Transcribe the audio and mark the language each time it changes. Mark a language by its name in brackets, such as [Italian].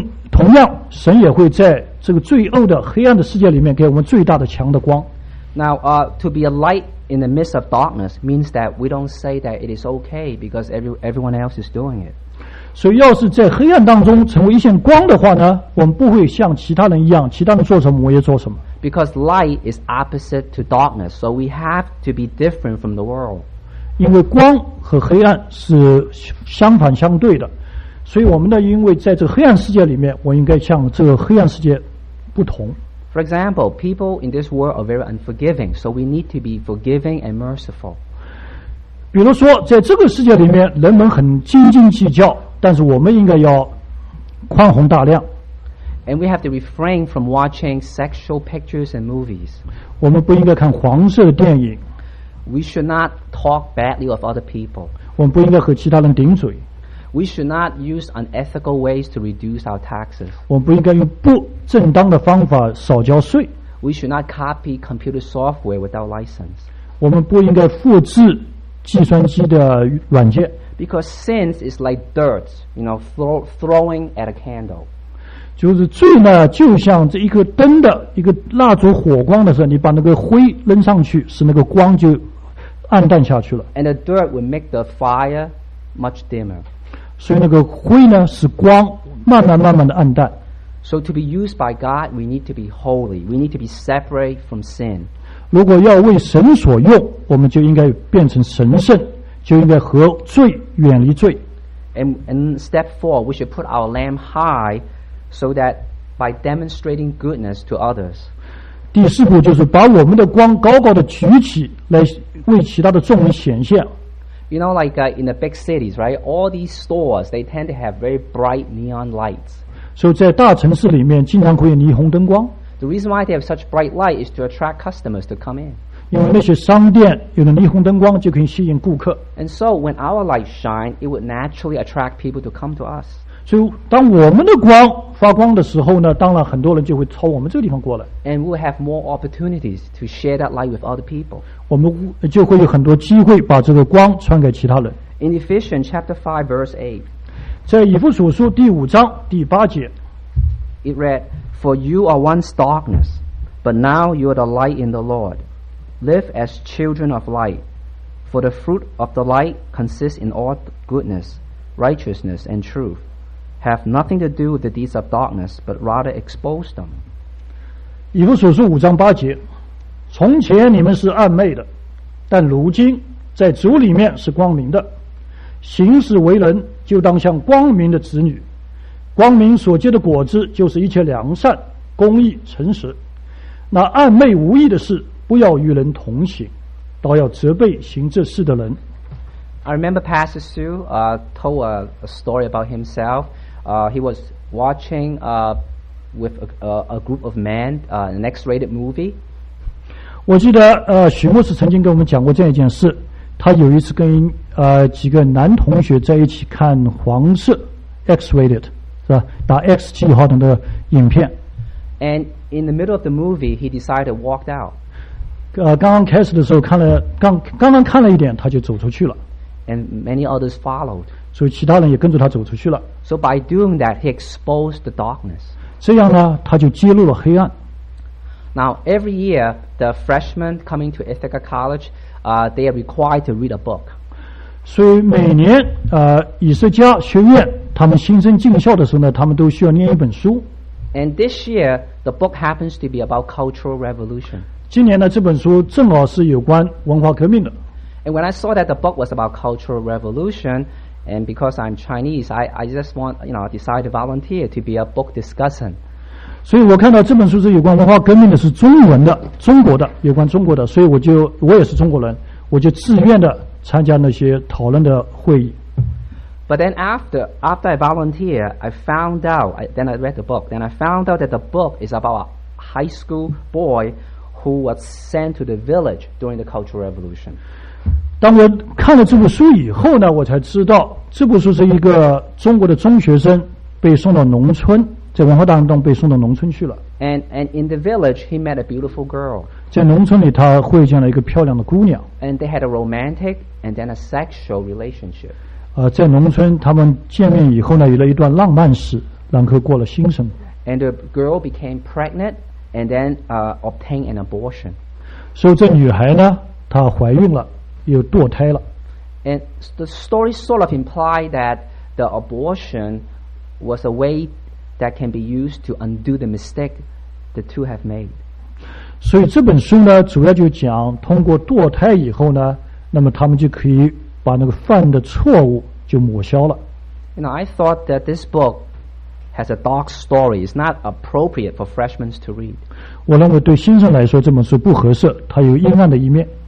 [Chinese] 同样，神也会在这个罪恶的黑暗的世界里面给我们最大的强的光。 [English] Now, to be a light in the midst of darkness means that we don't say that it is okay because everyone else is doing it. [Chinese] 所以要是在黑暗当中成为一线光的话呢，我们不会像其他人一样，其他人做什么我也做什么。 [English] Because light is opposite to darkness, so we have to be different from the world. [Chinese] 因为光和黑暗是相反相对的，所以我们呢，因为在这个黑暗世界里面，我应该像这个黑暗世界不同。 [English] For example, people in this world are very unforgiving, so we need to be forgiving and merciful. [Chinese] 比如说在这个世界里面人们很斤斤计较，但是我们应该要宽宏大量。 [English] And we have to refrain from watching sexual pictures and movies. [Chinese] 我们不应该看黄色的电影。 [English] We should not talk badly of other people. [Chinese] 我们不应该和其他人顶嘴。 [English] We should not use unethical ways to reduce our taxes. [Chinese] 我们不应该用不正当的方法少交税。 [English] We should not copy computer software without license. [Chinese] 我们不应该复制计算机的软件。 [English] Because sin is like dirt, you know, throwing at a candle. [Chinese] 就是罪呢，就像这一个灯的一个蜡烛火光的时候，你把那个灰扔上去，使那个光就暗淡下去了。 [English] And the dirt will make the fire much dimmer. [Chinese] 所以那个灰呢，使光慢慢慢慢的暗淡。 [English] So to be used by God, we need to be holy. We need to be separate from sin. [Chinese] 如果要为神所用，我们就应该变成神圣。就应该和罪远离罪。 [English] And step four, we should put our lamp high so that by demonstrating goodness to others. [Chinese] 第四步就是把我们的光高高的举起，来为其他的众人显现。 [English] You know, like in the big cities, right? All these stores, they tend to have very bright neon lights. [Chinese] 所以在大城市里面经常会有霓虹灯光。 [English] The reason why they have such bright light is to attract customers to come in. [Chinese] 因为那些商店有了霓虹灯光就可以吸引顾客。 [English] And so when our light shine, it would naturally attract people to come to us. [Chinese] 所以当我们的光发光的时候呢，当然很多人就会朝我们这个地方过来。 [English] And we'll have more opportunities to share that light with other people. [Chinese] 我们就会有很多机会把这个光传给其他人。 [English] In Ephesians chapter 5 verse 8, [Chinese] 在以弗所书第五章第八节， [English] It read, For you are once darkness, but now you are the light in the Lord. Live as children of light, for the fruit of the light consists in all goodness, righteousness, and truth. Have nothing to do with the deeds of darkness, but rather expose them. [Chinese] 以弗所书五章八节，从前你们是暗昧的，但如今在主里面是光明的。行事为人，就当像光明的子女。光明所结的果子，就是一切良善、公义、诚实。那暗昧无益的事。不要与人同行，倒要责备行这事的人。 [English] I remember Pastor Su told a story about himself. He was watching with a group of men, an X-rated movie. [Chinese] 我记得许牧师曾经跟我们讲过这样一件事，他有一次跟几个男同学在一起看黄色 X-rated 是吧，打 X 记号的那个影片。 [English] And in the middle of the movie, he decided to walk out. [Chinese] 刚刚开始的时候看了刚刚看了一点，他就走出去了。 [English] And many others followed. [Chinese] 所以其他人也跟着他走出去了。 [English] So by doing that, he exposed the darkness. [Chinese] 这样呢，他就揭露了黑暗。 [English] Now every year, the freshmen coming to Ithaca College, they are required to read a book. [Chinese] 所以每年以色迦学院他们新生进校的时候呢，他们都需要念一本书。 [English] And this year, the book happens to be about Cultural Revolution. [Chinese] 今年呢，这本书正好是有关文化革命的。 [English] And when I saw that the book was about Cultural Revolution, and because I'm Chinese, I just want, you know, decided to volunteer to be a book discussant. [Chinese] 所以我看到这本书是有关文化革命的，是中文的，中国的，有关中国的，所以我也是中国人，我就自愿的参加那些讨论的会议。 [English] But then after I volunteer, I found out that the book is about a high school boy who was sent to the village during the Cultural Revolution. [Chinese] 当我看了这部书以后呢，我才知道这部书是一个中国的中学生被送到农村，在文化当中被送到农村去了。 [English] And in the village, he met a beautiful girl. [Chinese] 在农村里，他会见了一个漂亮的姑娘。 [English] And they had a romantic and then a sexual relationship. [Chinese] 在农村他们见面以后呢，有了一段浪漫史，然后过了新生。 [English] And the girl became pregnant and then obtained an abortion. [Chinese] 所以这女孩呢，她怀孕了，又堕胎了。 [English] And the story sort of implied that the abortion was a way that can be used to undo the mistake the two have made. [Chinese] 所以这本书呢，主要就讲通过堕胎以后呢，那么他们就可以把那个犯的错误就抹消了。 [English] You know, I thought that this book has a dark story. It's not appropriate for freshmen to read. [Chinese] 我认为对新生来说这本书不合适，它有阴暗的一面。